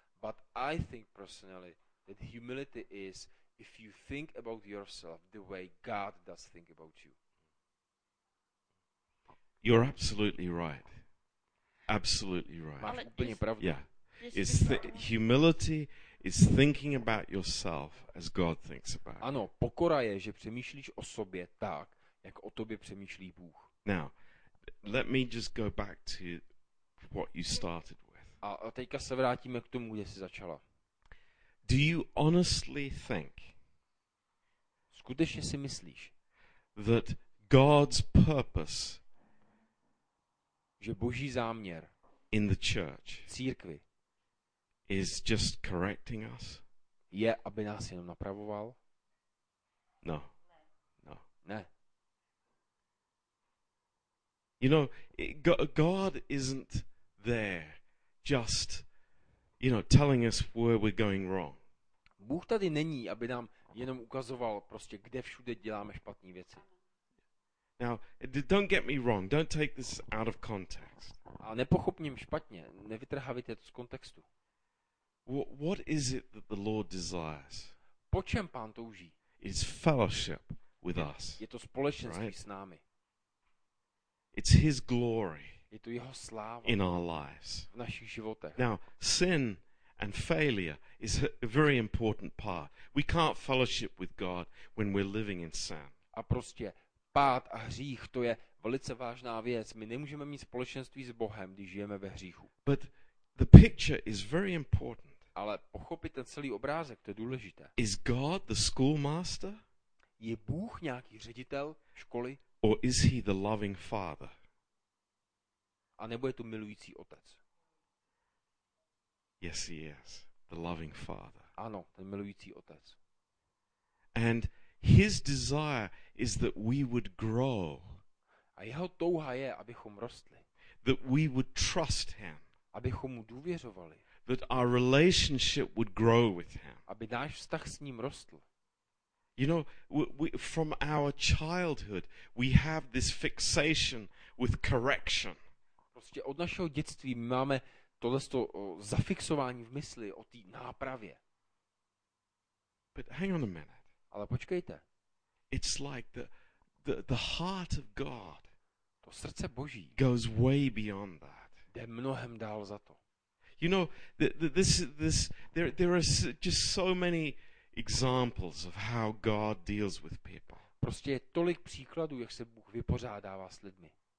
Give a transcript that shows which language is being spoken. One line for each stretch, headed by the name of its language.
English: But I think personally that humility is if you think about yourself the way God does think about you. You're absolutely right. Absolutely right. Humility is thinking about yourself as God thinks about you.
Czech: Ano, pokora je, že přemýšlíš o sobě tak, jak o tobě přemýšlí Bůh.
English: Now, let me just go back to what you started with.
Czech: A teďka se vrátíme k tomu, kde jsi začala.
English: Do you honestly think?
Czech: Skutečně si myslíš,
English: that God's purpose,
Czech: že Boží záměr
English: in the church,
Czech: církvi,
English: is just correcting us?
Czech: Je, aby nás jenom napravoval?
English: No.
Czech: Ne.
English: You know, God isn't there just, you know, telling us where we're going wrong.
Czech: Bůh tady není, aby nám jenom ukazoval prostě, kde všude děláme špatné věci.
English: Now, don't get me wrong, don't take this out of context.
Czech: A nepochopně mě špatně, nevytrhávejte to z kontextu.
English: What is it that the Lord desires?
Czech: Po čem Pán touží?
English: It's fellowship with us.
Czech: Je to společenství
English: right?
Czech: s námi.
English: It's his glory.
Czech: Je to jeho sláva.
English: In our lives.
Czech: V našich životech.
English: Now, sin and failure is a very important part. We can't fellowship with God when we're living in sin.
Czech: A prostě pád a hřích, to je velice vážná věc. My nemůžeme mít společenství s Bohem, když žijeme ve hříchu.
English: But the picture is very important.
Czech: Ale pochopit ten celý obrázek, to je důležité.
English: Is God the schoolmaster?
Czech: Je Bůh nějaký ředitel školy?
English: Or is he the loving father?
Czech: A nebo je to milující otec?
English: Yes, he is. The loving father.
Czech: Ano, ten milující otec.
English: And his desire is that we would grow.
Czech: A jeho touha je, abychom rostli.
English: That we would trust him.
Czech: Abychom mu důvěřovali.
English: That our relationship would grow with him.
Czech: Aby náš vztah s ním rostl.
English: You know, we from our childhood we have this fixation with correction.
Czech: Prostě od našeho dětství máme tohle to zafixování v mysli o té nápravě.
English: But hang on a minute.
Czech: Ale počkejte.
English: It's like the heart of God.
Czech: To srdce Boží.
English: Goes way beyond that.
Czech: Jde mnohem dál za to.
English: You know, there are just so many examples of how God deals with people.
Czech: Prostě je tolik příkladů, jak se Bůh vypořádává s lidmi.